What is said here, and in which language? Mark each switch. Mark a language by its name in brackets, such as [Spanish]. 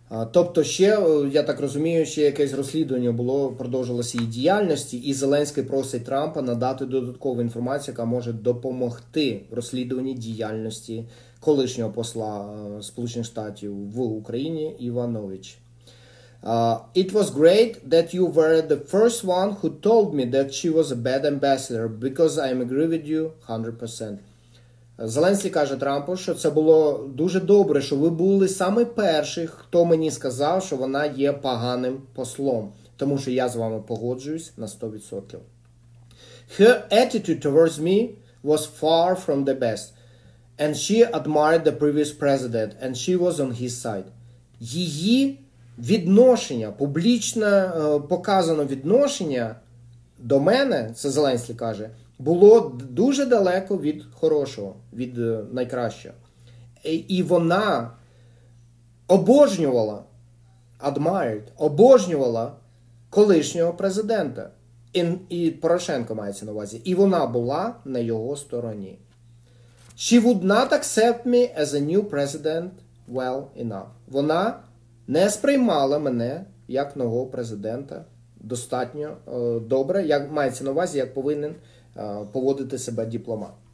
[Ukrainian] Тобто ще, я так розумію, ще якесь розслідування було, продовжилося її діяльності, і Зеленський просить Трампа надати додаткову інформацію, яка може допомогти в розслідуванні діяльності колишнього посла Сполучених Штатів в Україні Іванович. [English] It was great that you were the first one who told me that she was a bad ambassador, because I agree with you 100%. [Ukrainian] Зеленський каже Трампу, що це було дуже добре, що ви були самі перші, хто мені сказав, що вона є поганим послом, тому що я з вами погоджуюсь на 100%. [English] Her attitude towards me was far from the best, and she admired the previous president, and she was on his side. [Ukrainian] Її відношення, публічно показано відношення до мене, це Зеленський каже, було дуже далеко від хорошого, від найкращого. І вона обожнювала, admired, обожнювала колишнього президента. І Порошенко мається на увазі. І вона була на його стороні. [English] She would not accept me as a new president well enough. [Ukrainian] Вона не сприймала мене як нового президента достатньо добре, як мається на увазі, як повинен поводити себе дипломат.